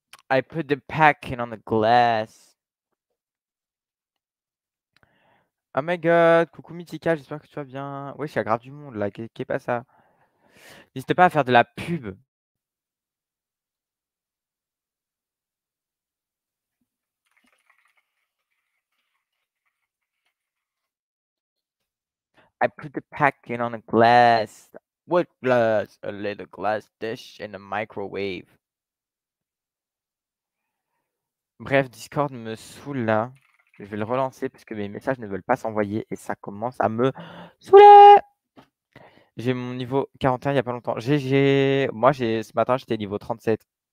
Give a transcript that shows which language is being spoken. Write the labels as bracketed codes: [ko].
[en] I put the packing on the glass. Oh my god. [fr] Coucou Mythica, j'espère que tu vas bien. Ouais, je suis à grave du monde là. Qu'est-ce qui est pas ça? N'hésitez pas à faire de la pub. [en] I put the packing on a glass. What glass? A little glass dish in a microwave. [fr] Bref, Discord me saoule là. Je vais le relancer parce que mes messages ne veulent pas s'envoyer et ça commence à me saouler. J'ai mon niveau 41 il n'y a pas longtemps. GG. Moi, j'ai ce matin, j'étais niveau 37.